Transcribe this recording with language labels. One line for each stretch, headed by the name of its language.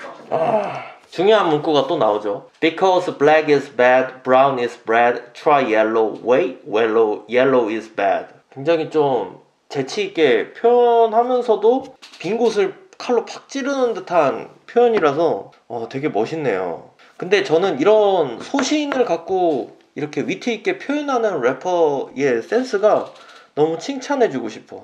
Korean: 아, 중요한 문구가 또 나오죠.
English: Because black is bad, brown is bad, try yellow, wait, yellow is bad.
Korean: 굉장히 좀 재치있게 표현하면서도 빈 곳을 칼로 팍 찌르는 듯한 표현이라서 되게 멋있네요. 근데 저는 이런 소신을 갖고 이렇게 위트있게 표현하는 래퍼의 센스가 너무 칭찬해주고 싶어.